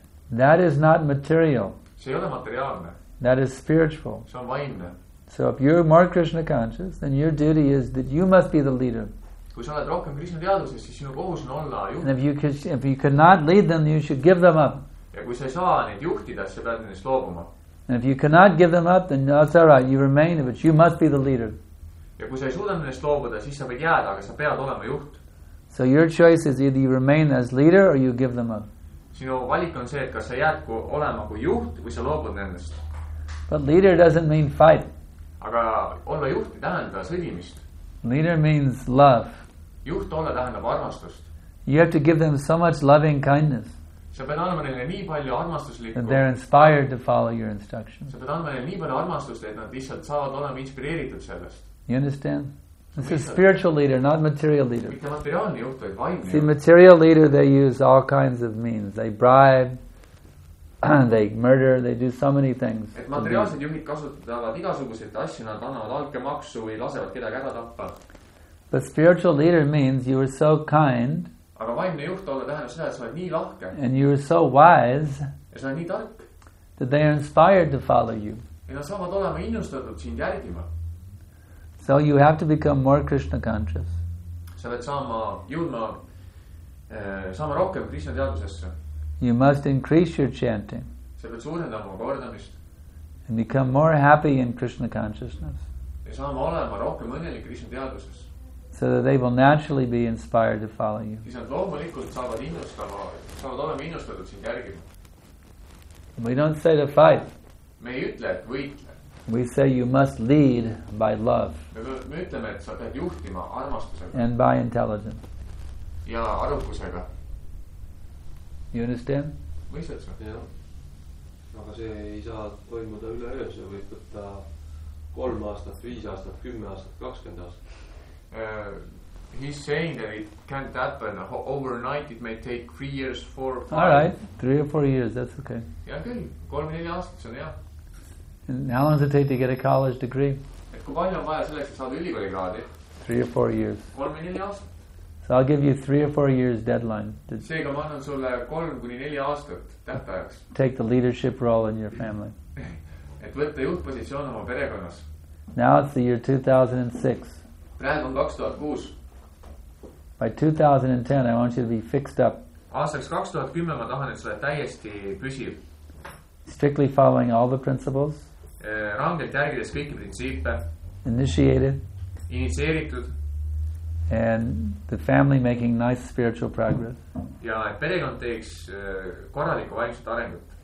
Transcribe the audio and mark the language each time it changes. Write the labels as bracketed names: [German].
[English] That is not material. That is spiritual. So if you're more Krishna conscious, then your duty is that you must be the leader. [Estonian] Kui sa oled rohkem Krishna teaduses, siis sinu kohus on olla juht. [English] And if you could not lead them, you should give them up. [Estonian] Ja kui sa ei saa neid juhtida, sa pead nendest loobuma. [English] And if you cannot give them up, then that's all right, you remain, but you must be the leader. [Estonian] Ja kui sa ei suuda nendest loobuda, siis sa pead jääda, aga sa pead olema juht. [English] So your choice is either you remain as leader or you give them up. [Estonian] Sinu valik on see, et kas sa jääd olema kui juht või sa loobud nendest. [English] But leader doesn't mean fight. [Estonian] Aga olla juht ei tähenda sõdimist. [English] Leader means love. [Estonian] Juht olla tähendab armastust. [English] You have to give them so much loving kindness. [Estonian] Sa pead annama neile nii palju armastuslikku. [English] That they're inspired to follow your instructions. [Estonian] Sa pead annama neile nii palju armastust, et nad lihtsalt saavad olema inspireeritud sellest. [English] You understand? This is spiritual leader, not material leader. [Estonian] Mitte materiaalne juht, vaid vaimne. [English] See, material leader, they use all kinds of means. They bribe, they murder, they do so many things. [Estonian] Et materiaalsed juhid kasutavad igasuguseid asju, nad annavad altkäemaksu või lasevad kedagi ära tappa. [English] The spiritual leader means you are so kind. [Estonian] Aga vaimne juht olla tähendab seda, et sa oled nii lahke. [English] And you are so wise. [Estonian] Ja sa oled nii tark. [English] That they are inspired to follow you. [Estonian] Ja nad saavad olema innustatud sind järgima. [English] So you have to become more Krishna conscious. [Estonian] Sa pead saama jõudma, saama rohkem Krishna teadusesse. [English] You must increase your chanting. [Estonian] Sa pead suurendama kordamist. [English] And become more happy in Krishna consciousness. [Estonian] Ja saama olema rohkem õnnelik Krishna teaduses. [English] So that they will naturally be inspired to follow you. [Estonian] Siis nad loomulikult saavad innustama, saavad olema innustatud sind järgima. [English] We don't say to fight. [Estonian] Me ei ütle, et võitle. [English] We say you must lead by love. [Estonian] Me ütleme, et sa pead juhtima armastusega. [English] And by intelligence. [Estonian] Ja arukusega. [English] You understand? [Estonian] Mõistad sa? Jah. Aga see ei saa toimuda üle öö. See võib võtta 3 aastat, 5 aastat, 10 aastat, 20 aastat. [English] He's saying that it can't happen overnight. It may take 3 years, 4 or 5. All right, 3 or 4 years, that's okay. Yeah, okay. [Estonian] 3-4 aastat, see on hea. [English] And how long does it take to get a college degree? [Estonian] Et kui palju on vaja selleks, et saada ülikooli kraadi? [English] 3 or 4 years. [Estonian] 3-4 aastat. [English] So I'll give you 3 or 4 years deadline. [Estonian] Seega ma annan sulle 3-4 aastat tähtajaks. [English] Take the leadership role in your family. [Estonian] Et võtta juhtpositsioon oma perekonnas. [English] Now it's the year 2006. [Estonian] Praegu on 2006. [English] By 2010 I want you to be fixed up. [Estonian] Aastaks 2010 ma tahan, et sa oled täiesti püsiv. [English] Strictly following all the principles. [Estonian] Rangelt järgides kõiki printsiipe. [English] Initiated. [Estonian] Initieeritud. [English] And the family making nice spiritual progress. [Estonian] Ja et perekond teeks korraliku vaimset arengut.